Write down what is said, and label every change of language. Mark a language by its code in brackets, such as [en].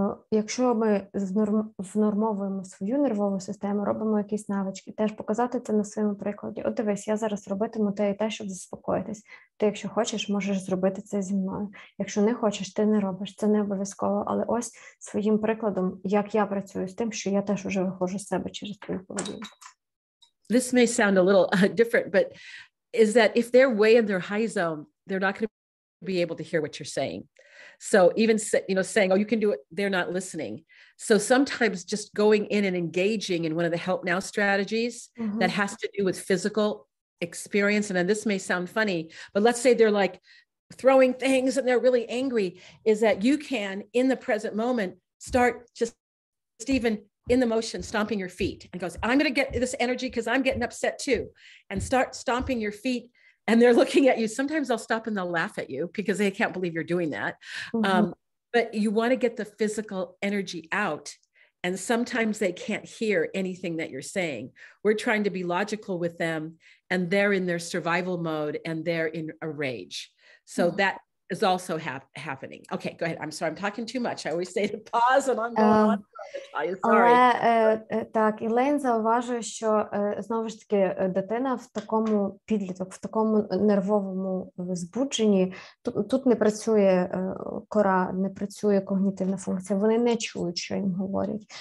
[uk] Якщо ми знормовуємо свою нервову систему, робимо якісь навички, теж показати це на своєму прикладі. От дивись, я зараз робитиму те і те, щоб заспокоїтись. Ти, якщо хочеш, можеш зробити це зі мною. Якщо не хочеш, ти не робиш, це не обов'язково. Але ось своїм прикладом, як я працюю з тим, що я теж уже виходжу з себе через твою поведінку. [en] This may sound a little different, but is that if they're way in their high zone, they're not going to be able to hear what you're saying. So even, you know, saying, oh, you can do it, they're not listening. So sometimes just going in and engaging in one of the help now strategies mm-hmm. that has to do with physical experience. And then this may sound funny, but let's say they're like throwing things and they're really angry, is that you can, in the present moment, start just even in the motion, stomping your feet and goes, I'm going to get this energy because I'm getting upset too. And start stomping your feet. And they're looking at you. Sometimes they'll stop and they'll laugh at you because they can't believe you're doing that. Mm-hmm. But you want to get the physical energy out. And sometimes they can't hear anything that you're saying. We're trying to be logical with them and they're in their survival mode and they're in a rage. So mm-hmm. that is also happening. Okay, go ahead. I'm sorry. I'm talking too much. I always say to pause and I'm going on. [uk] Але так, Ілейн зауважує, що знову ж таки дитина в такому підліток, в такому нервовому збудженні, тут не працює кора, не працює когнітивна функція, вони не чують, що їм говорять.